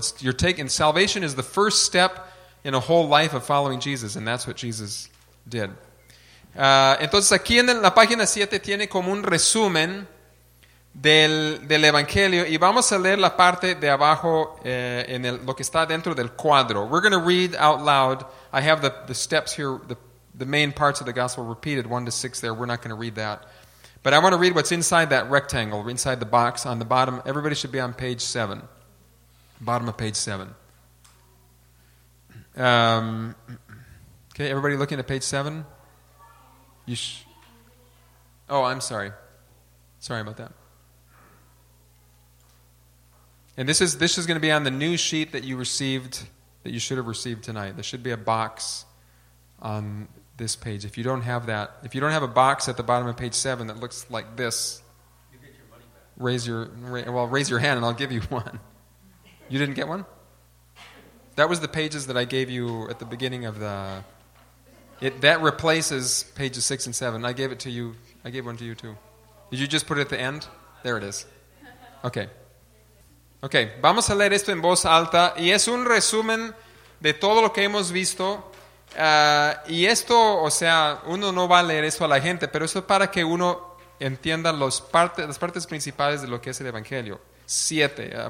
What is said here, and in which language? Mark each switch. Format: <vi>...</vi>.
<en>Salvation is the first step in a whole life of following Jesus, and that's what Jesus did.</en> <es>Entonces aquí en la página 7 tiene como un resumen del Evangelio, y vamos a leer la parte de abajo lo que está dentro del cuadro.</es> <en>We're going to read out loud. I have the steps here, the main parts of the gospel repeated, 1-6 there. We're not going to read that. But I want to read what's inside that rectangle, inside the box on the bottom. Everybody should be on page 7, bottom of page 7. Okay, everybody looking at page 7? I'm sorry. Sorry about that. And this is going to be on the new sheet that you received, that you should have received tonight. There should be a box on this page. If you don't have that, if you don't have a box at the bottom of page 7 that looks like this, raise your hand and I'll give you one. You didn't get one? That was the pages that I gave you at the beginning of the... That replaces pages 6 and 7. I gave it to you. I gave one to you, too. Did you just put it at the end? There it is. Okay.</en> <es>Okay, vamos a leer esto en voz alta. Y es un resumen de todo lo que hemos visto. Y esto, o sea, uno no va a leer esto a la gente, pero esto es para que uno entienda las partes principales de lo que es el Evangelio. 7.</es>